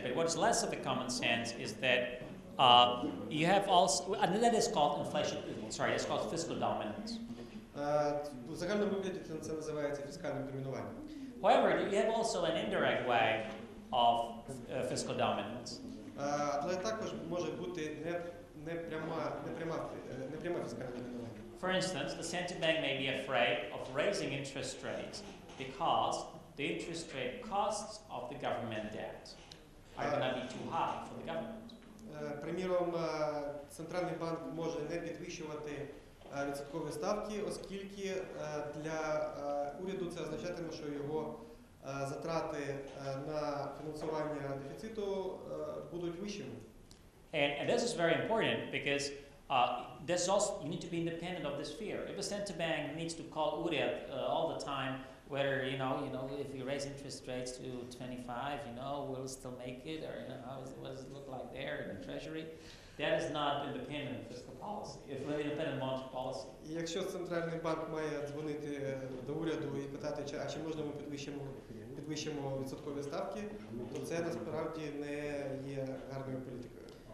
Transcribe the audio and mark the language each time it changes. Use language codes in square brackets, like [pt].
[en] But what's less of a common sense is that you have also, and that is called inflation. Sorry, it's called fiscal dominance. [uk] В загальному вигляді це називається фіскальним домінуванням. [en] However, you have also an indirect way of fiscal dominance. [uk] Але також може бути непряма фіскальне домінування. [en] For instance, the central bank may be afraid of raising interest rates because the interest rate costs of the government debt are going to be too high for the government. [uk] Приміром, центральний банк може не підвищувати відсоткові ставки, оскільки для уряду це означатиме, що його затрати на фінансування дефіциту будуть вищими. [en] And this is very important because this also you need to be independent of this fear. If a central bank needs to call [uk] уряд [en] all the time, whether you know if you raise interest rates to 25, you know, we'll still make it, or you know, how does it look like there in the treasury, That is not independent fiscal policy. It's not independent monetary policy. [uk] Якщо центральний банк має дзвонити до уряду і питати, чи а чи можна ми підвищимо відсоткові ставки, то це насправді не є гарною політикою.